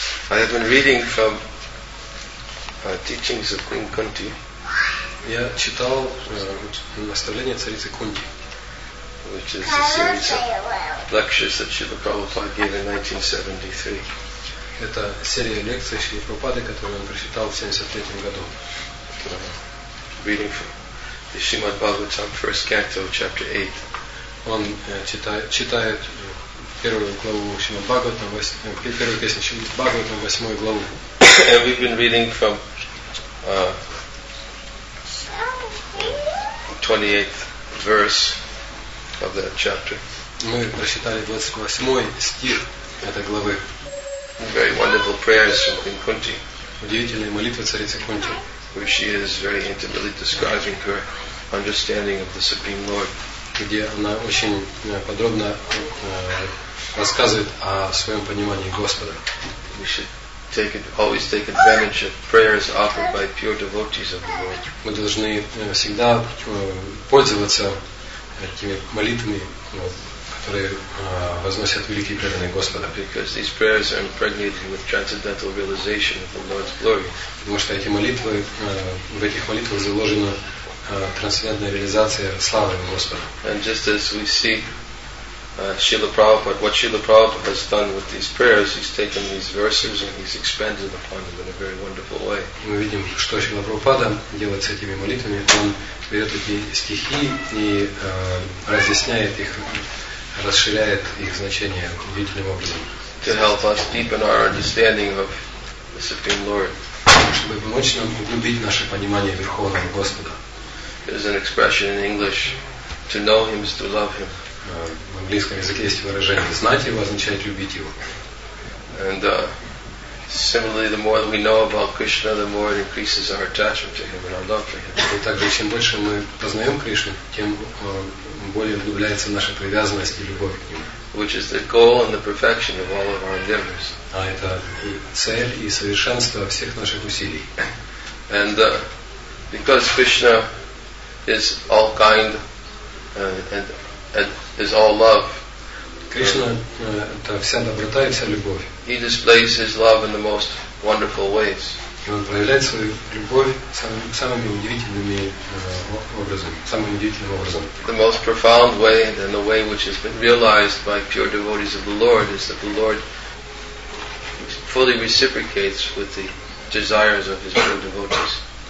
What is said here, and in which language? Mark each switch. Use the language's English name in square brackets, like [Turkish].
[English] I have been reading from teachings of Queen Kunti. [Russian] Я читал наставления царицы Кунти, [English] which is a series of lectures that Srila Prabhupada gave in 1973. [Russian] Это серия лекций Шрилы Прабхупады, которую он прочитал в 73 году. [English] Reading from the Srimad Bhagavatam, first canto, chapter 8. [Russian] Он читает первую главу Шримад Бхагаватам, первую песню Шримад Бхагаватам, восьмую главу. [English] And we've been reading from 28th verse of that chapter. [Russian] Мы прочитали 28 стих этой главы. [English] Very wonderful prayers from Queen Kunti. [Russian] Удивительная молитва царицы Кунти. [English] Where she is very intimately describing her understanding of the Supreme Lord. [Russian] Где она очень подробно рассказывает о своем понимании Господа. [English] We should always take advantage of prayers offered by pure devotees of the Lord. [Russian] Мы должны всегда пользоваться этими молитвами, которые возносят великие преданные Господа. [English] Because these prayers are impregnated with transcendental realization of the Lord's glory. [Russian] Потому что эти молитвы, в этих молитвах заложено трансцендентная реализация славы Господа. [English] And just as we see Srila Prabhupada, what Srila Prabhupada has done with these prayers, he's taken these verses and he's expanded upon them in a very wonderful way. [Russian] Мы видим, что Шрила Прабхупада делает с этими молитвами. Он берет эти стихи и разъясняет их, расширяет их значение удивительным образом. [English] To help us deepen our understanding of the Supreme Lord. [Russian] Чтобы помочь нам углубить наше понимание Верховного Господа. [English] There's an expression in English, to know him is to love him. [Russian] В английском языке есть выражение «знать его» означает «любить его». [English] And similarly, the more we know about Krishna, the more it increases our attachment to him and our love for him. [Russian] И также, чем больше мы познаем Кришну, тем более углубляется наша привязанность и любовь к нему. [English] Which is the goal and the perfection of all of our endeavors. [Russian] А это и цель, и совершенство всех наших усилий. [English] And because Krishna is all kind and is all love. [Russian] Krishna это вся доброта и вся любовь. [English] He displays his love in the most wonderful ways. [Russian] И он проявляет свою любовь самыми удивительными образом, самым удивительным образом. [English] The most profound way and the way which has been realized by pure devotees of the Lord is that the Lord fully reciprocates with the desires of his pure devotees.